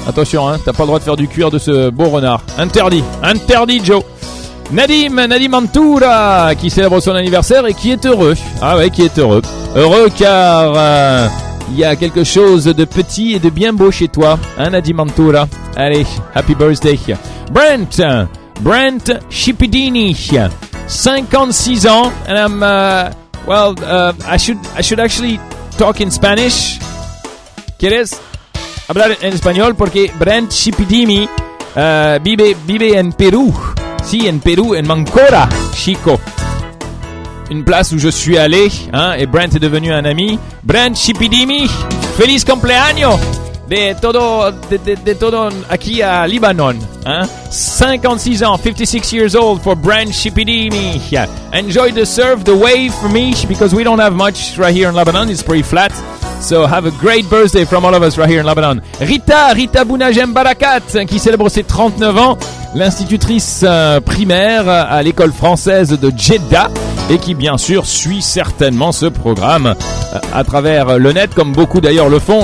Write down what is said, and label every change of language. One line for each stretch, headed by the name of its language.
French: Attention, hein, t'as pas le droit de faire du cuir de ce beau renard. Interdit, Joe. Nadim Antoura, qui célèbre son anniversaire et qui est heureux. Ah ouais, qui est heureux. Heureux car il y a quelque chose de petit et de bien beau chez toi, hein, Nadim Antoura.
English: Allez, happy birthday. Brent Cipidini, 56 ans, and I'm I should actually talk in Spanish.
Spanish: ¿Quieres hablar en español? Porque Brent Cipidini vive en Perú. Sí, en Perú, en Mancora, chico.
French: Une place où je suis allé, hein, et Brent est devenu un ami.
Spanish: Brent Cipidini, feliz cumpleaños. De todo aquí a Libanon, hein?
English: 56 ans, 56 years old for Brent Cipidini. Enjoy the surf, the wave for me, because we don't have much right here in Lebanon. It's pretty flat. So have a great birthday from all of us right here in Lebanon.
French: Rita Bounajem Barakat, qui célèbre ses 39 ans, l'institutrice primaire à l'école française de Jeddah, et qui bien sûr suit certainement ce programme à travers le net, comme beaucoup d'ailleurs le font.